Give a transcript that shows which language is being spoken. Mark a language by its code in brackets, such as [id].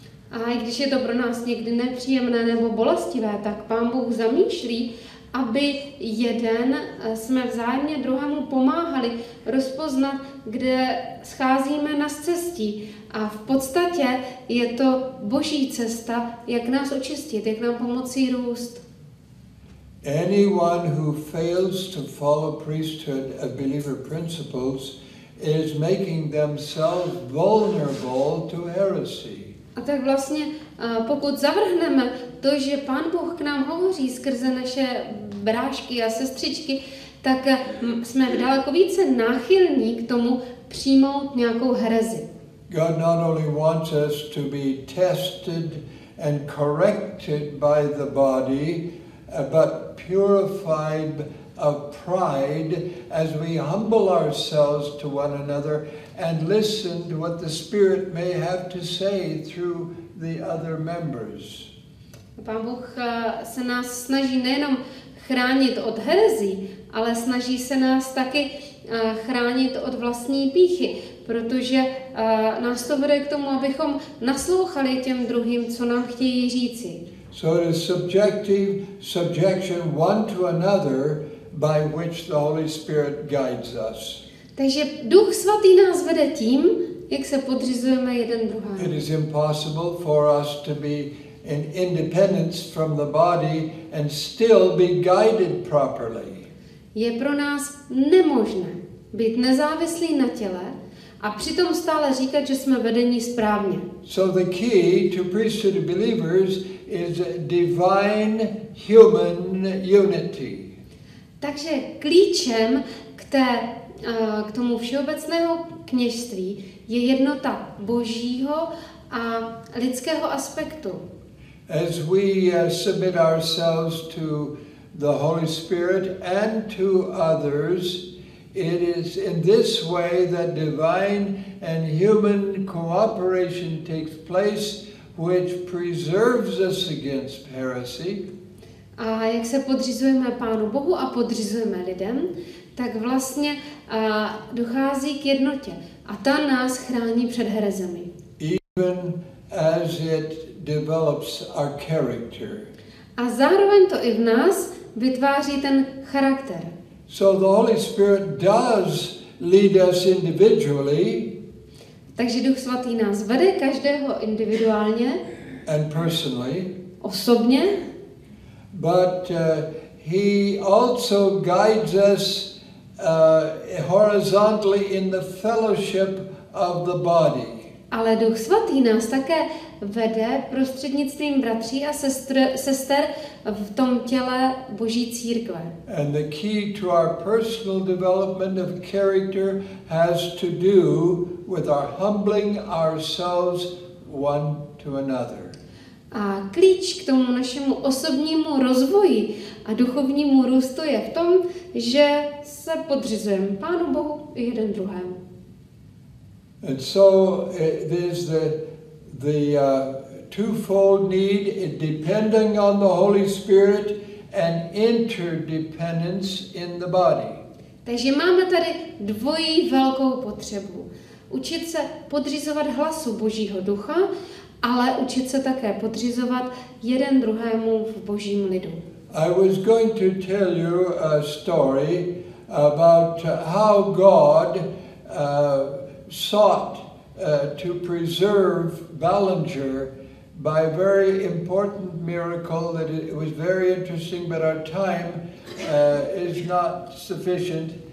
[cs] A i když je to pro nás někdy nepříjemné nebo bolestivé, tak Pán Bůh zamýšlí, aby jeden jsme vzájemně druhému pomáhali rozpoznat, kde scházíme na cestě. A v podstatě je to Boží cesta, jak nás očistit, jak nám pomoci růst. [en] Anyone who fails to follow priesthood and believer principles is making themselves vulnerable to heresy. [cs] A tak vlastně, pokud zavrhneme to, že Pán Bůh k nám hovoří skrze naše brášky a sestřičky, tak jsme daleko více náchylní k tomu přijmout nějakou herezi. [en] God not only wants us to be tested and corrected by the body, but purified of pride as we humble ourselves to one another and listen to what the Spirit may have to say through the other members. [cs] Pán Bůh se nás snaží nejenom chránit od herezí, ale snaží se nás taky chránit od vlastní pýchy, protože nás to vede k tomu, abychom naslouchali těm druhým, co nám chtějí říci. [en] So it is subjective subjection one to another by which the Holy Spirit guides us. [cs] Takže Duch Svatý nás vede tím, jak se podřizujeme jeden druhému. [en] It is impossible for us to be in independence from the body and still be guided properly. [cs] Je pro nás nemožné být nezávislí na těle a přitom stále říkat, že jsme vedeni správně. [en] So the key to priesthood of believers is divine human unity. [cs] Takže klíčem k tomu všeobecného kněžství je jednota Božího a lidského aspektu. [en] As we submit ourselves to the Holy Spirit and to others, it is in this way that divine and human cooperation takes place, which preserves us against heresy. [cs] A jak se podřizujeme Pánu Bohu a podřizujeme lidem, tak vlastně dochází k jednotě. A ta nás chrání před herezemi. [en] Even as it develops our character. [cs] A zároveň to i v nás vytváří ten charakter. [en] So the Holy Spirit does lead us individually. [cs] Takže Duch Svatý nás vede každého individuálně. [en] And personally. [cs] Osobně. [en] But he also guides us horizontally in the fellowship of the body. [cs] Ale Duch Svatý nás také vede prostřednictvím bratří a sester v tom těle Boží církve. [en] And the key to our personal development of character has to do with our humbling ourselves one to another. [cs] A klíč k tomu našemu osobnímu rozvoji a duchovnímu růstu je v tom, že se podřizujeme Pánu Bohu i jeden druhému. [en] And so there's the twofold need, depending on the Holy Spirit and interdependence in the body. [cs] Takže máme tady dvojí velkou potřebu. Učit se podřizovat hlasu Božího ducha, ale učit se také podřizovat jeden druhému v Božím lidu. [en] I was going to tell you a story about how God sought to preserve Ballinger by a very important miracle that it was very interesting, but our time is not sufficient.